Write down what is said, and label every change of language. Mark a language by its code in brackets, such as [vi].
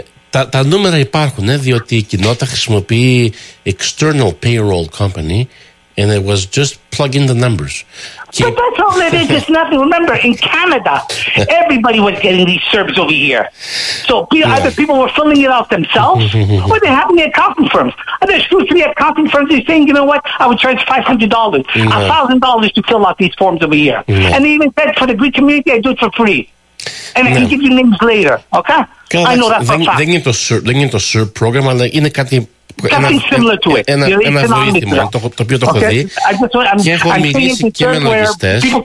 [el] Τα νούμερα υπάρχουν, διότι η κοινότητα χρησιμοποιεί [en] external payroll company and it was just plugging the numbers. But that's all it is, it's nothing. Remember, in Canada, everybody was getting these SERPs over here. So either people were filling it out themselves, or they're having the accounting firms. And there's 2-3 accounting firms that are saying, you know what, I would charge $500, $1,000 to fill out these forms over here. And they even said, for the Greek community, I do it for free. And I can give you names later, okay? [el] Δεν είναι το SERP, δεν είναι το SERP πρόγραμμα, αλλά είναι κάτι ένα βοήθημα το οποίο το έχω δει και έχω μιλήσει και με λογιστές.